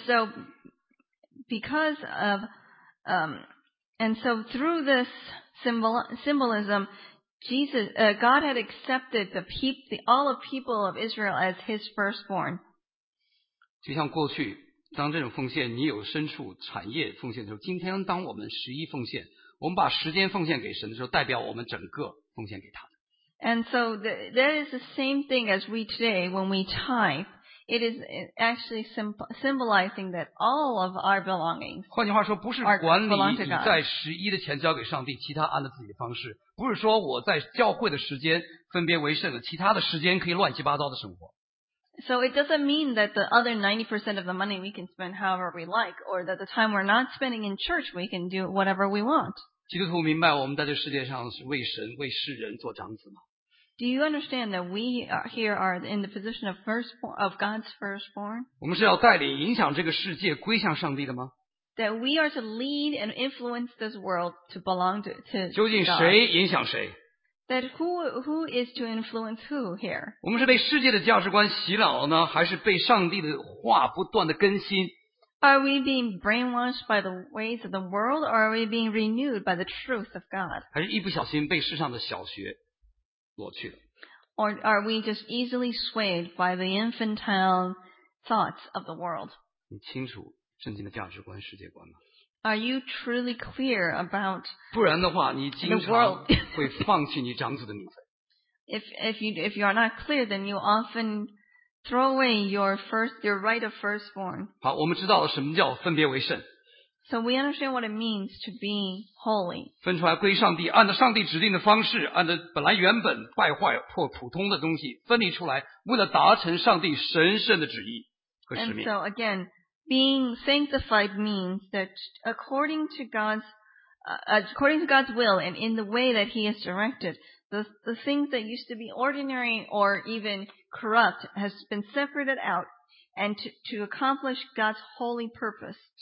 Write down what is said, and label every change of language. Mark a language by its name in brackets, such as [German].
[English] so because of through this symbolism, Jesus God had accepted all the people of Israel as his firstborn. [Chinese] 就像过去当这种奉献，你有牲畜产业奉献的时候，今天当我们十一奉献，我们把时间奉献给神的时候，代表我们整个奉献给他。 [English] And so that is the same thing as we today when we tithe. It is actually symbolizing that all of our belongings [Chinese] 换句话说, 不是管理你在十一的钱交给上帝, 其他按照自己的方式, 不是说我在教会的时间分别为圣了, 其他的时间可以乱七八糟的生活。 [English] So it doesn't mean that the other 90% of the money we can spend however we like, or that the time we're not spending in church we can do whatever we want. [Chinese] 基督徒明白我们在这世界上是为神为世人做长子吗? [English] Do you understand that we here are in the position of God's firstborn? [Chinese] 我们是要带领影响这个世界归向上帝的吗? [English] That we are to lead and influence this world to belong to God. [Chinese] 究竟谁影响谁? [English] That who is to influence who here? [Chinese] 我们是被世界的价值观洗脑呢, 还是被上帝的话不断的更新? [English] Are we being brainwashed by the ways of the world, or are we being renewed by the truth of God? [Chinese] 还是一不小心被世上的小学落去了? [English] Or are we just easily swayed by the infantile thoughts of the world? [Chinese] 你清楚圣经的价值观世界观吗? [English] Are you truly clear about the world? if you are not clear, then you often throw away your right of firstborn. [Chinese] 好, 我们知道了什么叫分别为圣。 [English] So we understand what it means to be holy. [Chinese] 分出来归上帝, 按照上帝指定的方式, 按照本来原本败坏, 或普通的东西, 分离出来, 为了达成上帝神圣的旨意和使命。 [English] And so again, being sanctified means that according to God's will and in the way that He has directed, the things that used to be ordinary or even corrupt has been separated out and to accomplish God's holy purpose.